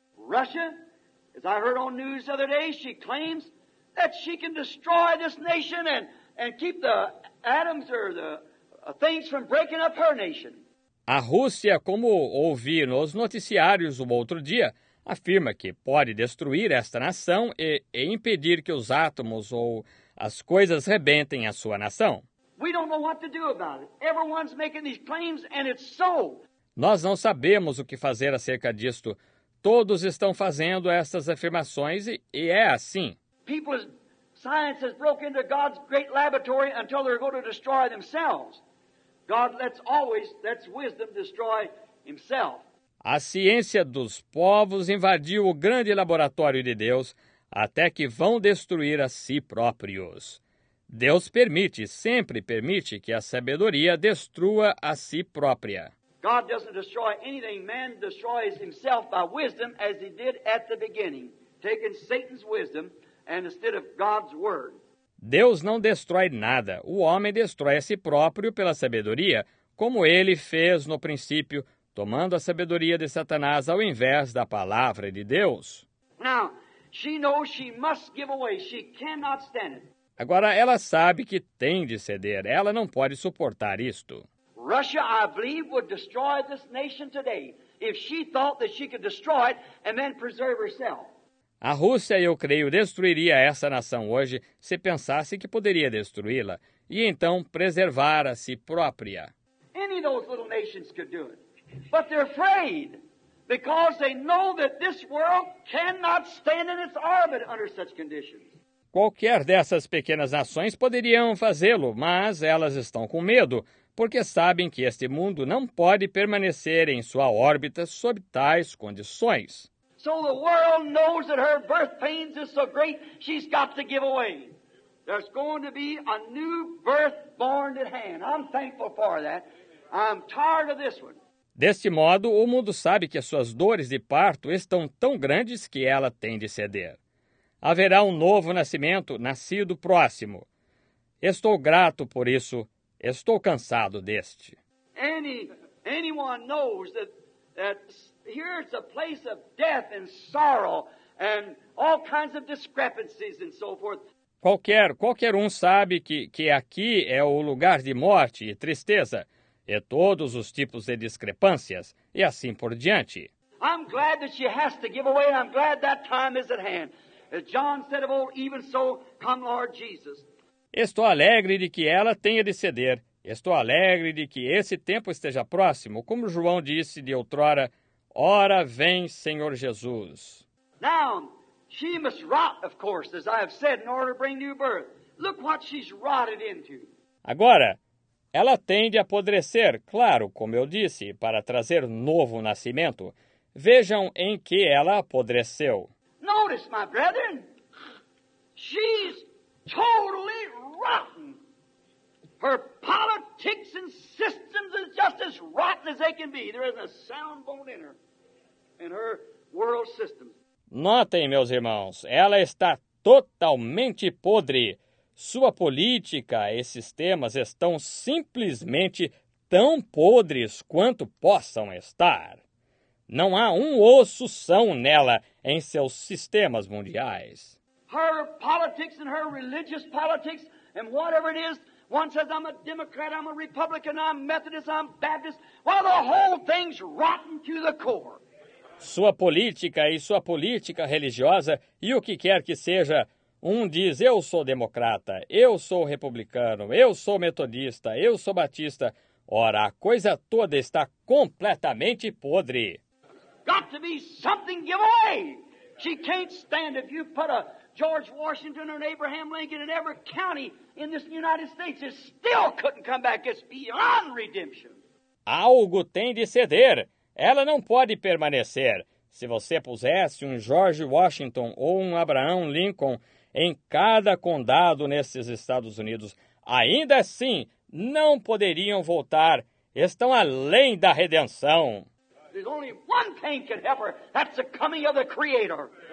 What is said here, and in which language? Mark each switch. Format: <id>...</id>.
<en>Russia, as I heard on news the other day, she claims that she can destroy this nation and keep the atoms or the things from breaking up her nation.</en> <pt>A Rússia, como ouvi nos noticiários o outro dia, afirma que pode destruir esta nação e impedir que os átomos ou as coisas rebentem a sua nação.</pt> <en>We don't know what to do about it. Everyone's making these claims and it's so.</en> <pt>Nós não sabemos o que fazer acerca disto. Todos estão fazendo estas afirmações e é assim.</pt> <en>People's science has broken into God's great laboratory until they're going to destroy themselves. God lets wisdom destroy himself.</en> <pt>A ciência dos povos invadiu o grande laboratório de Deus até que vão destruir a si próprios. Deus permite, sempre permite que a sabedoria destrua a si própria.</pt> <en>God doesn't destroy anything. Man destroys himself by wisdom as he did at the beginning, taking Satan's wisdom and instead of God's word.</en> <pt>Deus não destrói nada. O homem destrói a si próprio pela sabedoria, como ele fez no princípio, tomando a sabedoria de Satanás ao invés da palavra de Deus.</pt> <en>Now, she knows she must give away. She cannot stand it.</en> <pt>Agora, ela sabe que tem de ceder. Ela não pode suportar isto.</pt> <en>Russia, I believe, would destroy this nation today if she thought that she could destroy it and then preserve herself.</en> <pt>A Rússia, eu creio, destruiria essa nação hoje se pensasse que poderia destruí-la e então preservar a si própria.</pt> <en>Any of those little nations could do it. But they're afraid because they know that this world cannot stand in its orbit under such conditions.</en> <pt>Qualquer dessas pequenas nações poderiam fazê-lo, mas elas estão com medo porque sabem que este mundo não pode permanecer em sua órbita sob tais condições.</pt> <en>So the world knows that her birth pains is so great, she's got to give away. There's going to be a new birth born at hand. I'm thankful for that. I'm tired of this one.</en> <pt>Deste modo, o mundo sabe que as suas dores de parto estão tão grandes que ela tem de ceder. Haverá um novo nascimento, nascido próximo. Estou grato por isso. Estou cansado deste.</pt> <en>Anyone knows that here it's a place of death and sorrow and all kinds of discrepancies and so forth.</en> <pt>Qualquer um sabe que aqui é o lugar de morte e tristeza, e todos os tipos de discrepâncias, e assim por diante.</pt> <en>I'm glad that she has to give away, and I'm glad that time is at hand. As John said of old, even so, come Lord Jesus.</en> <pt>Estou alegre de que ela tenha de ceder. Estou alegre de que esse tempo esteja próximo, como João disse de outrora, ora vem, Senhor Jesus.</pt> <en>Now, she must rot, of course, as I have said, in order to bring new birth. Look what she's rotted into.</en> <pt>Agora, ela tem de apodrecer, claro, como eu disse, para trazer novo nascimento. Vejam em que ela apodreceu.</pt> <en>Notice, my brethren, she's totally rotten. Her politics and systems is just as rotten as they can be. There isn't a sound bone in her, in her world system.</en> <pt>Notem, meus irmãos, ela está totalmente podre. Sua política e sistemas estão simplesmente tão podres quanto possam estar. Não há um osso são nela em seus sistemas mundiais.</pt> <en>Her politics and her religious politics and whatever it is, one says I'm a Democrat, I'm a Republican, I'm Methodist, I'm Baptist. Well, the whole thing's rotten to the core.</en> <pt>Sua política e sua política religiosa e o que quer que seja, um diz eu sou democrata, eu sou republicano, eu sou metodista, eu sou batista. Ora, a coisa toda está completamente podre.</pt> <en>Got to be something given away. She can't stand if you put a George Washington or an Abraham Lincoln in every county in this United States. It still couldn't come back. It's beyond redemption.</en> <pt>Algo tem de ceder. Ela não pode permanecer. Se você pusesse um George Washington ou um Abraham Lincoln em cada condado nesses Estados Unidos, ainda assim não poderiam voltar. Estão além da redenção.</pt> <en>There's only one thing can help her. That's the coming of the Creator.</en>